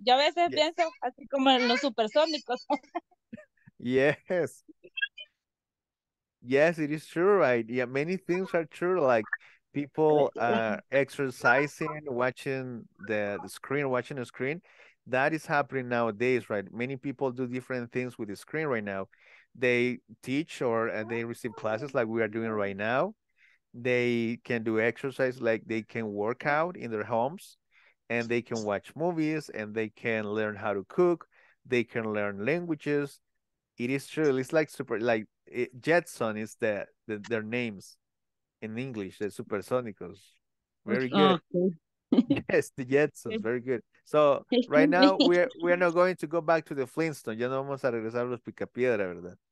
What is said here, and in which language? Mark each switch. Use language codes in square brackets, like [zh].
[es] Yo a veces pienso así como en los supersónicos. [en] Yes. Yes, it is true, right? Yeah, many things are true, like people exercising, watching the screen, watching the screen. That is happening nowadays, right? Many people do different things with the screen right now. They teach or they receive classes like we are doing right now. They can do exercise, like they can work out in their homes, and they can watch movies, and they can learn how to cook. They can learn languages. It is true. It's like super, like Jetson is the their names in English, the supersonicos. Very good. Okay. Yes, the Jetsons. Very good. So right now we are not going to go back to the Flintstones. [es] Ya no vamos a regresar a los Picapiedra, ¿verdad?